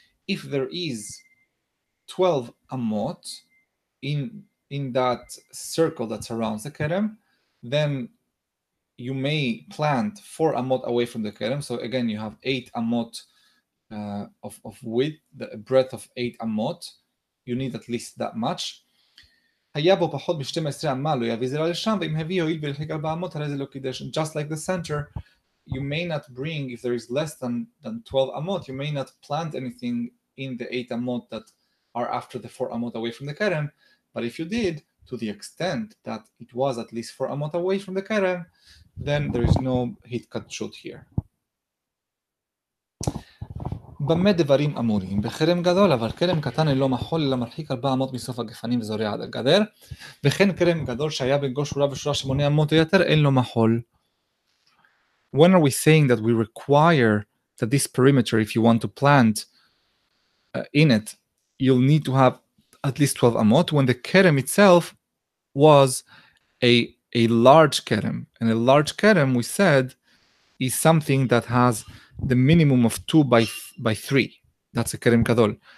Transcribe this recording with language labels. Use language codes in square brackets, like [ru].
[en] if there is 12 אמות in that circle that surrounds the kerem, then you may plant 4 אמות away from the kerem. So again, you have 8 אמות of width, the breadth of 8 אמות. You need at least that much. [he] היה בו פחות משתים עשרה אמה, לא יביא זרע לשם, ואם הביא הועיל ברחיק ארבע אמות, הרי זה לא קידש, [en] just like the center. You may not bring, if there is less than 12 amot, you may not plant anything in the 8 amot that are after the 4 amot away from the kerem. But if you did, to the extent that it was at least 4 amot away from the kerem, then there is no hitkatshut here. [he] במה דברים אמורים? בחרם גדול, אבל כרם קטן אינו מחול, אלא מרחיק 4 אמות מסוף הגפנים וזורע עד הגדר. וכן כרם גדול שהיה בגו שורה ושורה 8 אמות או יותר, אין לו מחול. [en] When are we saying that we require that this perimeter, if you want to plant in it, you'll need to have at least 12 amot, when the kerem itself was a large kerem? And a large kerem, we said, is something that has the minimum of 2 by 3. That's a kerem gadol.